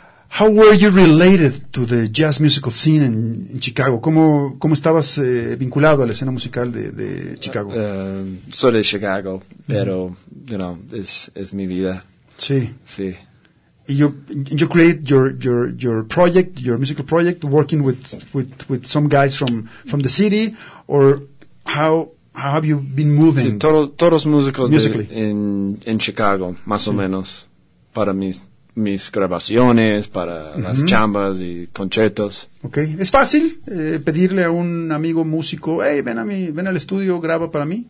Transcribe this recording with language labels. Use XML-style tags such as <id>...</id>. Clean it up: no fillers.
<en>How were you related to the jazz musical scene in Chicago?</en> <es>¿Cómo estabas vinculado a la escena musical de Chicago? Soy de Chicago, pero,</es> <en>you know,</en> <es>es mi vida. Sí. Sí.</es> <en>You create your project, your musical project, working with some guys from the city, or how have you been moving?</en> <es>Sí, todos músicos en Chicago, más o menos, para mis grabaciones, para las chambas y conciertos. Okay, es fácil pedirle a un amigo músico, hey, ven al estudio, graba para mí.</es>